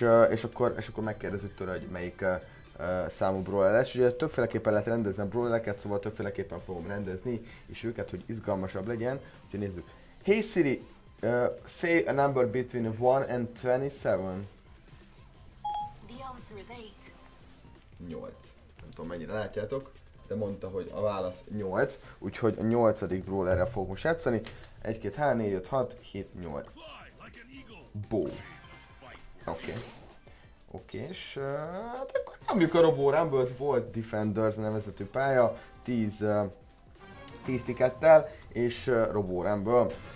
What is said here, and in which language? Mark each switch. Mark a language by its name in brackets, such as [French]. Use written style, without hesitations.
[Hungarian] És akkor megkérdezzük tőle, hogy melyik számú brawler lesz. Ugye többféleképpen lehet rendezni a brawlereket, szóval többféleképpen fogom rendezni is őket, hogy izgalmasabb legyen. Úgyhogy nézzük. [English] Hey Siri, say a number between 1 and 27. The answer is 8. [Hungarian] 8. Nem tudom mennyire látjátok, de mondta, hogy a válasz 8. Úgyhogy a 8. brawlerre fogok most játszani. 1, 2, 3, 4, 5, 6, 7, 8. Bo. Oké, és hát akkor nyomjuk a RoboRumble-t, volt Defenders nevezetű pálya, 10 tikettel, és RoboRumble.